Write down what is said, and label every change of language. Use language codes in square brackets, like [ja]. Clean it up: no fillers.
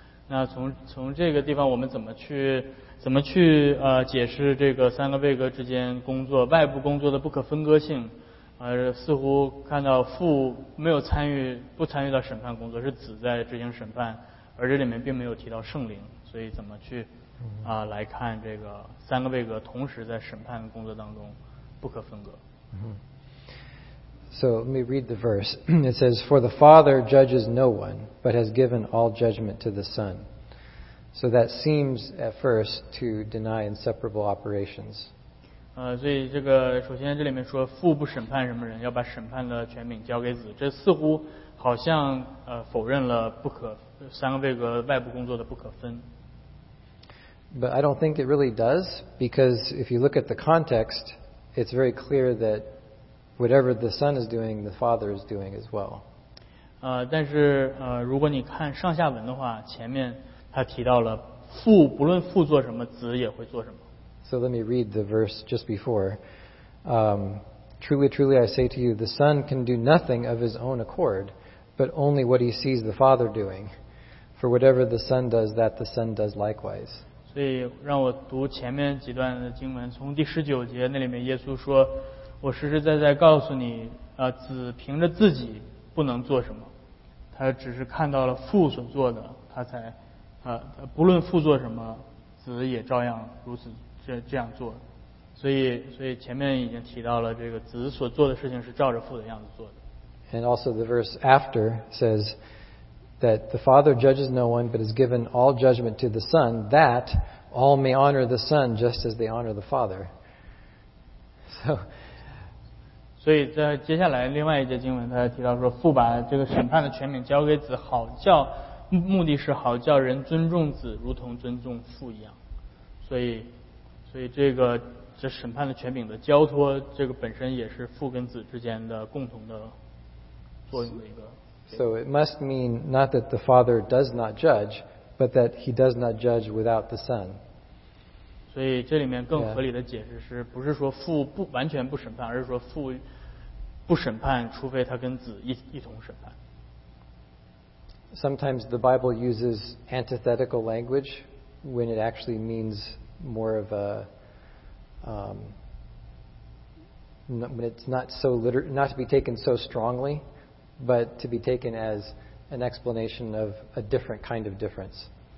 [zh] 那从这个地方我们怎么去解释这个三个位格之间工作外部工作的不可分割性似乎看到父没有参与不参与到审判工作是子在执行审判而这里面并没有提到圣灵所以怎么去来看这个三个位格同时在审判工作当中不可分割。 [en] So let me read the verse. It says, For the Father judges no one, but has given all judgment to the Son. So that seems at first to deny inseparable operations. [zh] 所以这个首先这里面说父不审判什么人要把审判的权柄交给子这似乎好像否认了不可三个位格外部工作的不可分。 [en] But I don't think it really does, because if you look at the context, it's very clear that whatever the Son is doing, the Father is doing as well. [zh] 但是如果你看上下文的话，前面他提到了父不论父做什么，子也会做什么。 [en] So let me read the verse just before. Truly, truly, I say to you, the Son can do nothing of his own accord, but only what he sees the Father doing. For whatever the Son does, that the Son does likewise. [zh] 所以让我读前面几段的经文，从第十九节那里面，耶稣说。我实实在在告诉你子凭着自己不能做什么他只是看到了父所做的他才不论父做什么子也照样如此这样做所以前面已经提到了这个子所做的事情是照着父的样子做的 [en] And also the verse after says that the Father judges no one but has given all judgment to the Son that all may honor the Son just as they honor the Father So [zh] 所以在接下来另外一节经文他提到说父把这个审判的权柄交给子好叫目的是好叫人尊重子如同尊重父一样所以这审判的权柄的交托这个本身也是父跟子之间的共同的作用的一个 [en] So it must mean not that the father does not judge but that he does not judge without the son [zh] 所以这里面更合理的解释是不是说父不完全不审判而是说父不审判除非他跟子一同审判 [en] Sometimes the Bible uses antithetical language when it actually means more of a when it's not so not to be taken so strongly but to be taken as an explanation of a different kind of difference